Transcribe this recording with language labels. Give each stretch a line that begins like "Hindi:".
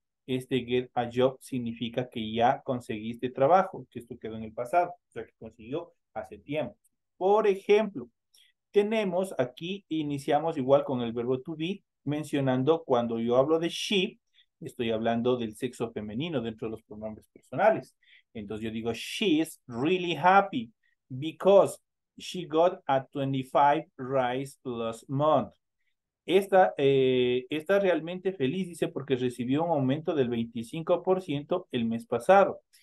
Spanish: Este get a job significa que ya conseguiste trabajo, que esto quedó en el pasado, o sea, que consiguió hace tiempo. Por ejemplo, tenemos aquí, iniciamos igual con el verbo to be, mencionando cuando yo hablo de she, estoy hablando del sexo femenino dentro de los pronombres personales. Entonces yo digo,
English: she's really happy because she got a 25 raise last month.
Spanish: Está realmente feliz, dice, porque recibió un aumento del 25% el mes pasado.